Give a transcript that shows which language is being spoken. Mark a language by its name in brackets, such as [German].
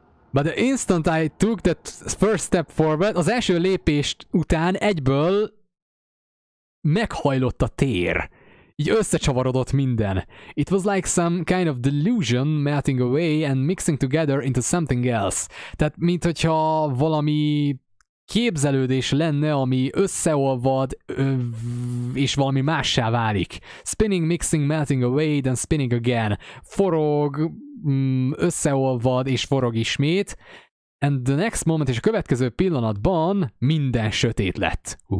[English] But the instant I took that first step forward, [Hungarian] az első lépést után egyből meghajlott a tér. Így összecsavarodott minden. [English] It was like some kind of delusion melting away and mixing together into something else. [Hungarian] Tehát, mint hogyha valami képzelődés lenne, ami összeolvad, és valami mássá válik. [English] Spinning, mixing, melting away, then spinning again. [Hungarian] Forog, összeolvad, és forog ismét. [English] And the next moment, [Hungarian] és a következő pillanatban minden sötét lett.